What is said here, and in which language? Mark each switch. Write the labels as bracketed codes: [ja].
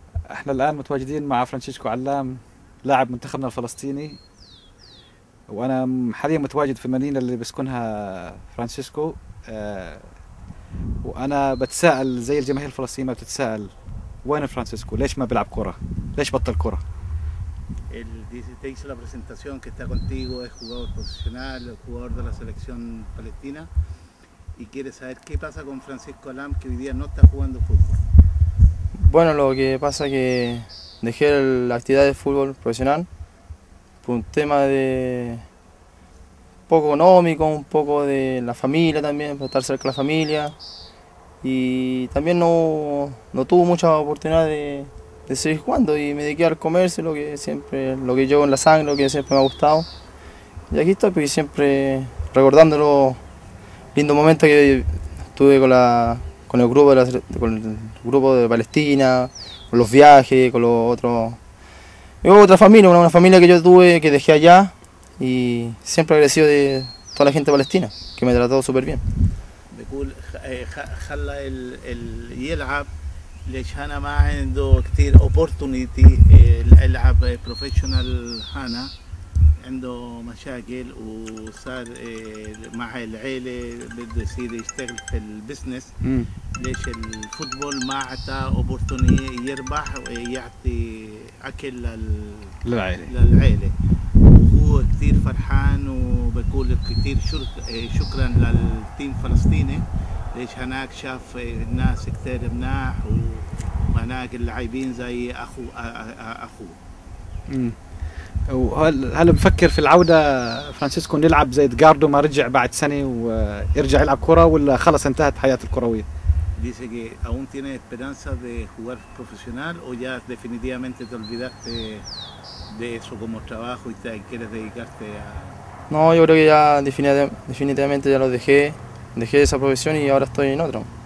[ar] احنا الان متواجدين مع فرانشيسكو علام لاعب منتخبنا الفلسطيني وانا حاليا متواجد في المدينه اللي بسكنها فرانشيسكو وانا بتساءل زي الجماهير الفلسطينيه بتتساءل وين فرانشيسكو ليش ما بيلعب كره ليش بطل كره [es] el dice te hizo la presentación que está contigo es jugador profesional jugador de la selección palestina y quiere saber qué pasa con Francisco Alam que hoy día no está jugando fútbol Bueno, lo que pasa es que dejé la actividad de fútbol profesional por un tema de poco económico, un poco de la familia también, para estar cerca de la familia. Y también no tuve mucha oportunidad de seguir jugando y me dediqué al comercio, lo que siempre, lo que llevo en la sangre, lo que siempre me ha gustado. Y aquí estoy, pues, siempre recordando los lindos momentos que tuve con la... con el grupo de Palestina, con los viajes, con los otros, otra familia, una familia que yo tuve, que dejé allá y siempre agradecido de toda la gente de Palestina que me trató súper bien. [ar] بيقول خلى ال يلعب ليش أنا ما عنده كتير opportunity يلعب professional هنا عنده مشاكل وصار مع العيلة بده يصير يشتغل في البزنس ليش الفوتبول ما عطى اوبورتونية يربح ويعطي اكل للعيلة وهو كثير فرحان وبقول كثير شكرا للتيم الفلسطيني ليش هناك شاف الناس كثير مناح وهناك اللاعبين زي اخو هل مفكر في العودة فرانشيسكو يلعب زي جاردو ما رجع بعد سنة ويرجع يلعب كرة ولا خلص انتهت حياة الكروية؟ [es] Dice que aún tiene esperanza de jugar profesional o ya definitivamente te olvidaste de eso como trabajo y quieres dedicarte a... No, yo creo que ya definitivamente ya lo dejé, dejé esa profesión y ahora estoy en otro.